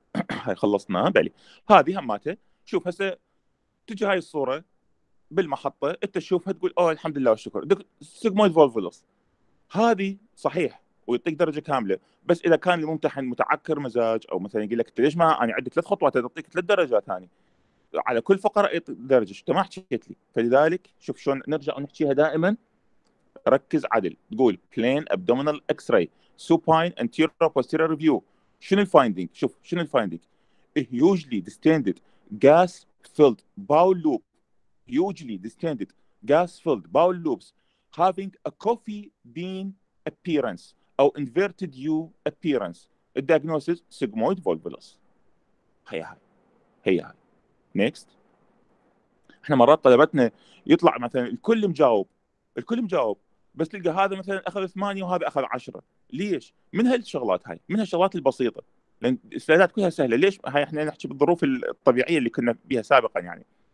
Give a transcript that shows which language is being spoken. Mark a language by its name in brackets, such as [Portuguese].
[Arabic] هاي خلصنا بالي، هذه هماته. شوف هسه تجي هاي الصوره بالمحطه، انت تشوفها تقول اوه الحمد لله والشكر سيجمويد فولفولوس، هذه صحيح ويعطيك درجه كامله. بس اذا كان الممتحن متعكر مزاج او مثلا يقول لك انت ليش ما انا عندي ثلاث خطوات اعطيك ثلاث درجات ثاني على كل فقرة درجة، انت ما حكيت لي. فلذلك شوف شلون نرجع ونحكيها دائما، ركز عدل، تقول [English] plain abdominal x-ray supine anterior posterior view، [Arabic] شنو الفايندينج؟ شوف شنو الفايندينج؟ [English] hugely distended gas filled bowel loop، hugely distended gas filled bowel loops having a coffee bean appearance أو inverted U appearance، الدياغنوسيس sigmoid volvulus. [Arabic] هيا هيا هيا هيا next. احنا مرات طلبتنا يطلع مثلا الكل مجاوب، الكل مجاوب بس تلقى هذا مثلا اخذ 8 وهذا اخذ 10، ليش؟ من هالشغلات هاي، من هالشغلات البسيطه، لان الاستعدادات كلها سهله. ليش؟ هاي احنا نحكي بالظروف الطبيعيه اللي كنا بيها سابقا يعني.